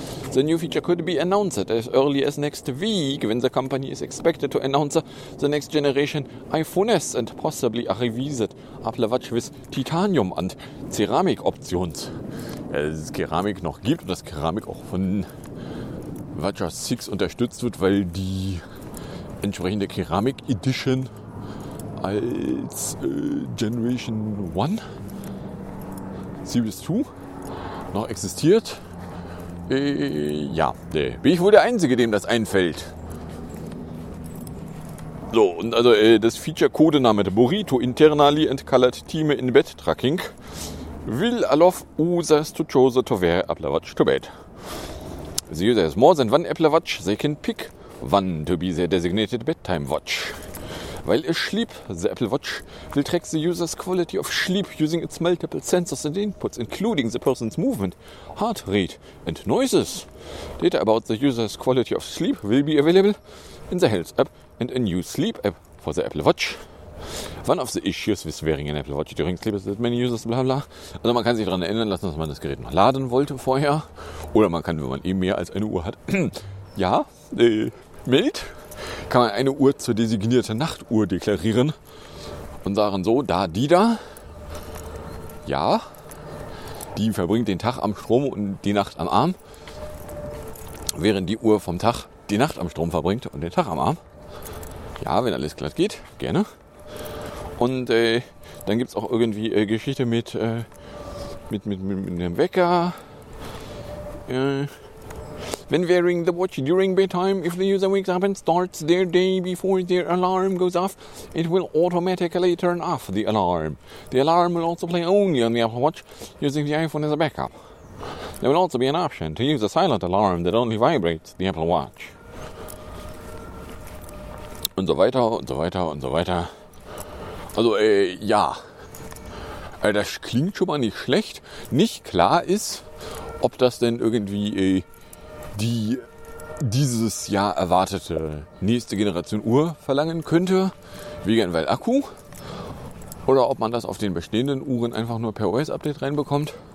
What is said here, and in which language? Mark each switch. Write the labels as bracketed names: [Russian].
[English] The new feature could be announced as early as next week, when the company is expected to announce the next generation iPhone S and possibly a revised Apple Watch with Titanium and Ceramic Options. [German] Dass es Keramik noch gibt und dass Keramik auch von WatchOS 6 unterstützt wird, weil die entsprechende Keramik Edition als Generation 1 Series 2 noch existiert. Bin ich wohl der Einzige, dem das einfällt. So, und also das Feature [English] Codename Burrito Internally and Colored Team in Bed Tracking will allow users to choose to wear Apple Watch to bed. The user has more than one Apple Watch, they can pick one to be their designated bedtime watch. While asleep, the Apple Watch will track the user's quality of sleep using its multiple sensors and inputs, including the person's movement, heart rate, and noises. Data about the user's quality of sleep will be available in the Health app and a new sleep app for the Apple Watch. One of the issues with wearing an Apple Watch during sleep is that many users, bla bla. [German] Also man kann sich daran erinnern lassen, dass man das Gerät noch laden wollte vorher. Oder man kann, wenn man eben mehr als eine Uhr hat, kann man eine Uhr zur designierten Nachtuhr deklarieren und sagen so, die verbringt den Tag am Strom und die Nacht am Arm, während die Uhr vom Tag die Nacht am Strom verbringt und den Tag am Arm. Ja, wenn alles glatt geht, gerne. Und dann gibt es auch irgendwie Geschichte mit dem Wecker. [English] When wearing the watch during bedtime, if the user wakes up and starts their day before their alarm goes off, it will automatically turn off the alarm. The alarm will also play only on the Apple Watch using the iPhone as a backup. There will also be an option to use a silent alarm that only vibrates the Apple Watch. [German] Und so weiter und so weiter und so weiter. Also, das klingt schon mal nicht schlecht. Nicht klar ist, ob das denn irgendwie die dieses Jahr erwartete nächste Generation Uhr verlangen könnte, wegen weil Akku, oder ob man das auf den bestehenden Uhren einfach nur per OS-Update reinbekommt.